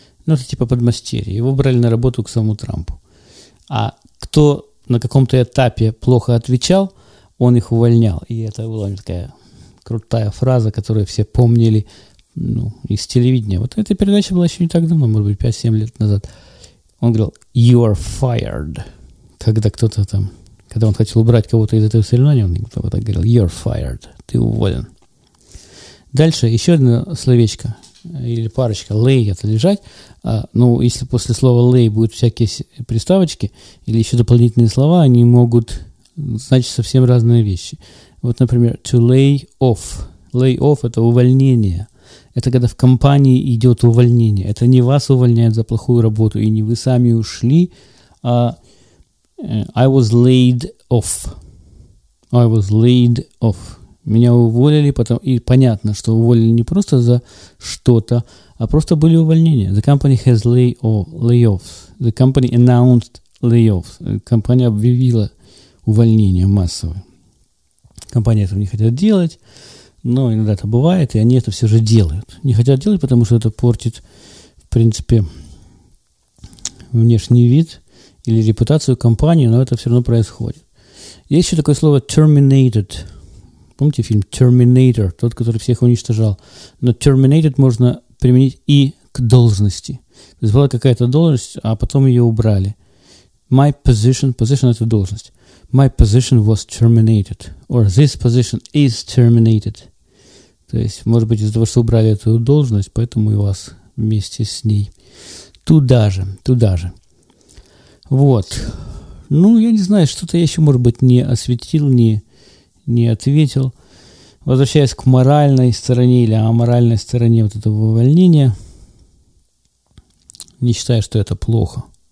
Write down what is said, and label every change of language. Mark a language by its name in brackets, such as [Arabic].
[Russian] Ну, это типа подмастерье. Его брали на работу к самому Трампу. А кто на каком-то этапе плохо отвечал, он их увольнял. И это была такая крутая фраза, которую все помнили, ну, из телевидения. Вот эта передача была еще не так давно, может быть, 5-7 лет назад. Он говорил, [English] you are fired. [Russian] Когда кто-то там, когда он хотел убрать кого-то из этого соревнования, он так говорил, [English] you are fired, [Russian] ты уволен. Дальше еще одно словечко или парочка. Lay – это лежать. А, ну, если после слова lay будут всякие приставочки или еще дополнительные слова, они могут значить совсем разные вещи. Вот, например, [English] to lay off. [Russian] Lay off – это увольнение. Это когда в компании идет увольнение. Это не вас увольняют за плохую работу и не вы сами ушли, а [English] I was laid off. I was laid off. [Russian] Меня уволили, потом, и понятно, что уволили не просто за что-то, а просто были увольнения. [English] The company has layoffs. The company announced layoffs. [Russian] Компания объявила увольнение массовое. Компания этого не хотят делать, но иногда это бывает, и они это все же делают. Не хотят делать, потому что это портит, в принципе, внешний вид или репутацию компании, но это все равно происходит. Есть еще такое слово terminated. Помните фильм Terminator, тот, который всех уничтожал? Но terminated можно применить и к должности. То есть была какая-то должность, а потом ее убрали. [English] My position, position – [Russian] это должность. [English] My position was terminated. Or this position is terminated. [Russian] То есть, может быть, из-за того, что убрали эту должность, поэтому и вас вместе с ней. Туда же, туда же. Вот. Ну, я не знаю, что-то я еще, может быть, не осветил, не ответил. Возвращаясь к моральной стороне или аморальной стороне вот этого увольнения, не считаю, что это плохо.